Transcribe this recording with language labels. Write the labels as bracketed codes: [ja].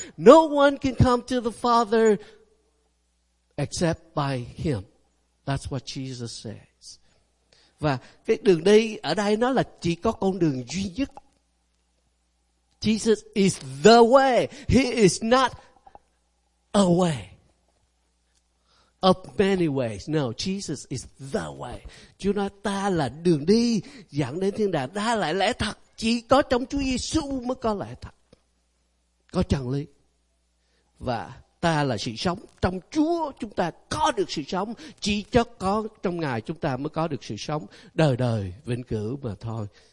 [en] No one can come to the Father except by Him. That's what Jesus says. [vi] Và cái đường đi ở đây nó là chỉ có con đường duy nhất. [en] Jesus is the way. He is not a way of many ways. No, Jesus is the way. [vi] Chúa nói ta là đường đi dẫn đến thiên đàng, ta là lẽ thật. Chỉ có trong Chúa Giêsu mới có lẽ thật, có chân lý. Và ta là sự sống. Trong Chúa chúng ta có được sự sống. Chỉ cho có trong Ngài chúng ta mới có được sự sống đời đời vĩnh cửu mà thôi.